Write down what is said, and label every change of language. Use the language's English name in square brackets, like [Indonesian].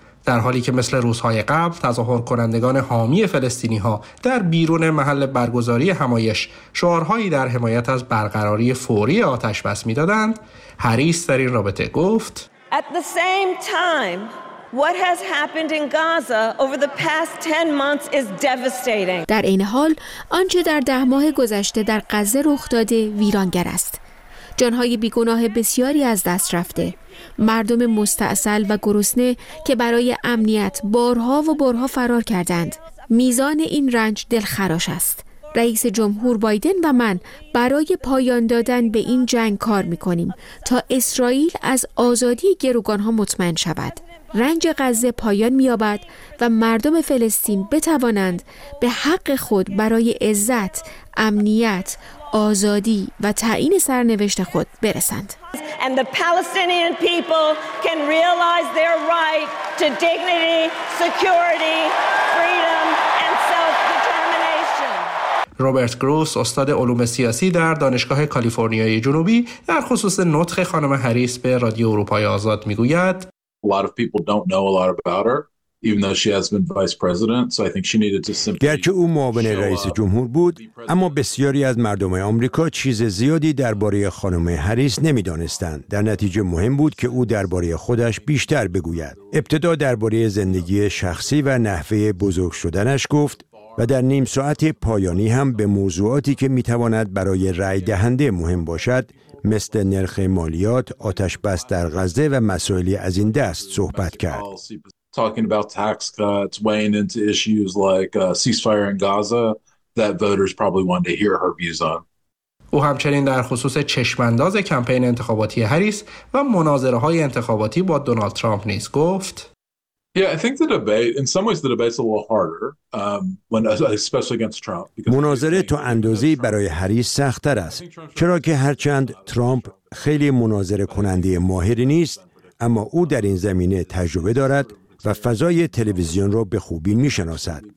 [Persian] در حالی که مثل روزهای قبل تظاهرکنندگان حامی فلسطینی‌ها در بیرون محل برگزاری همایش شعارهایی در حمایت از برقراری فوری آتش بس می‌دادند، هریس در این رابطه گفت: [English] At the same time, what has happened in Gaza over the past 10 months is devastating. [Persian] در این حال آنچه در 10 ماه گذشته در غزه رخ داده ویرانگر است. جانهای بیگناه بسیاری از دست رفته. مردم مستعصل و گرسنه که برای امنیت بارها و بارها فرار کردند. میزان این رنج دلخراش است. رئیس جمهور بایدن و من برای پایان دادن به این جنگ کار می‌کنیم تا اسرائیل از آزادی گروگان‌ها مطمئن شود. رنج غزه پایان می‌یابد و مردم فلسطین بتوانند به حق خود برای عزت، امنیت، آزادی و تعیین سرنوشت خود برسند. [English] And the Palestinian people can realize their right to dignity, security, freedom and self-determination. [Persian] روبرت گروس، استاد علوم سیاسی در دانشگاه کالیفرنیای جنوبی، در خصوص نطق خانم هریس به رادیو اروپای آزاد می‌گوید: [English] A lot of people don't know a lot about her. [Persian] گرچه او معاون رئیس جمهور بود، اما بسیاری از مردم آمریکا چیز زیادی درباره خانم هریس نمی‌دانستند. در نتیجه مهم بود که او درباره خودش بیشتر بگوید. ابتدا درباره زندگی شخصی و نحوه بزرگ شدنش گفت و در نیم ساعت پایانی هم به موضوعاتی که می‌تواند برای رأی دهنده مهم باشد، مثل نرخ مالیات، آتش بس در غزه و مسائلی از این دست صحبت کرد. [English] Talking about tax cuts, weighing into issues like ceasefire in Gaza that voters probably want to hear her views on. [Persian] او همچنین در خصوص چشمانداز کمپین انتخاباتی هریس و مناظره‌های انتخاباتی با دونالد ترامپ نیز گفت: مناظره تو اندازه برای هری سخت‌تر است، چرا که هرچند ترامپ خیلی مناظره کننده ماهری نیست، اما او در این زمینه تجربه دارد و فضای تلویزیون را به خوبی می‌شناسد.